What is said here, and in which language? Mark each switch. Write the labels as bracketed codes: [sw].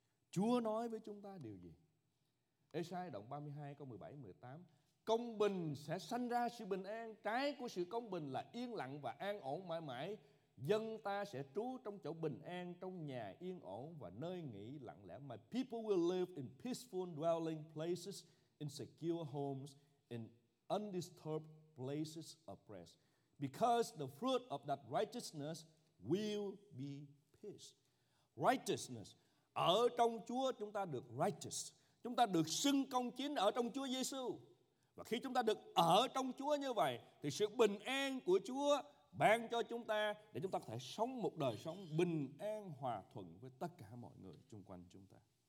[vi] Chúa nói với chúng ta điều gì? Ê-sai đoạn 32 câu 17 18: công bình sẽ sanh ra sự bình an, trái của sự công bình là yên lặng và an ổn mãi mãi. Dân ta sẽ trú trong chỗ bình an, trong nhà yên ổn và nơi nghỉ lặng lẽ. [en] My people will live in peaceful dwelling places, in secure homes, in undisturbed places of rest, because the fruit of that righteousness will be peace. Righteousness. [vi] Ở trong Chúa chúng ta được righteous. Chúng ta được xưng công chính ở trong Chúa Giêsu. Và khi chúng ta được ở trong Chúa như vậy thì sự bình an của Chúa ban cho chúng ta để chúng ta có thể sống một đời sống bình an hòa thuận với tất cả mọi người xung quanh chúng ta.